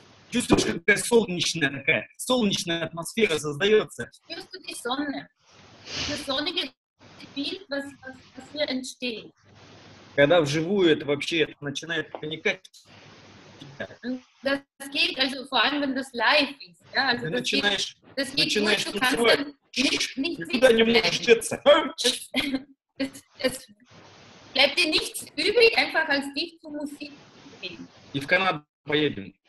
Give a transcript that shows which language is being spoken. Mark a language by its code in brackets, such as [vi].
[ru] Чувствуешь, какая солнечная такая, солнечная атмосфера создается? Чувствую [de] die Sonne. Das sonnige Bild, was hier entsteht. [ru] Когда вживую это вообще это начинает проникать. [de] Das geht also vor allem, wenn das live ist. Ja, also [ru] начинаешь [de] geht, das geht nicht, du kannst nicht sitzen. Nicht sitzen. Es bleibt dir nichts übrig, einfach als dich zur Musik zu bringen.